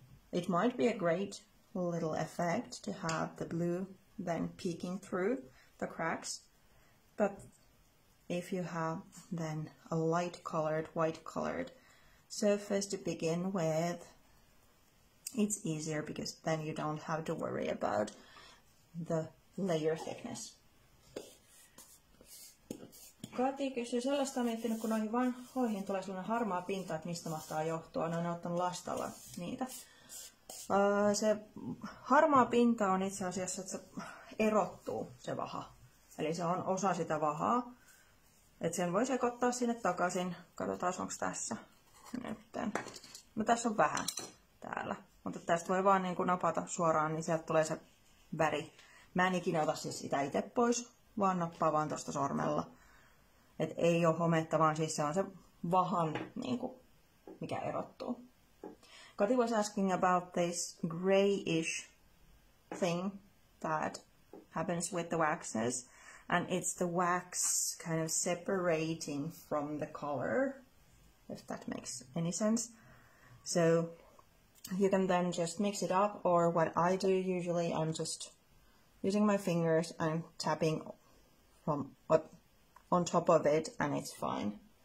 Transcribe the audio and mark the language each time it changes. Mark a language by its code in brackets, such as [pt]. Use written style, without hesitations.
[en] It might be a great little effect to have the blue then peeking through the cracks, but if you have then a light colored, white colored surface to begin with, it's easier because then you don't have to worry about the layer thickness. [fi] Kati kysyi sellaista, on miettinyt, kun noihin vanhoihin tulee sellainen harmaa pinta, että mistä mahtaa johtua. Ne on ottanut lastalla niitä. Se harmaa pinta on itse asiassa, että se erottuu, se vaha. Eli se on osa sitä vahaa. Että sen voi sekoittaa sinne takaisin. Katsotaan, onko tässä nyt. No tässä on vähän täällä. Mutta tästä voi vaan niin kun napata suoraan, niin sieltä tulee se väri. Mä en ikinä ota siis sitä itse pois, vaan nappaa vaan tuosta sormella. Et ei ole hometta, vaan siis se on se vahan, niin kuin, mikä erottuu. [en] Kati was asking about this grayish thing that happens with the waxes. And it's the wax kind of separating from the color, if that makes any sense. So you can then just mix it up, or what I do usually, I'm just using my fingers and tapping from what on top of it, and it's fine.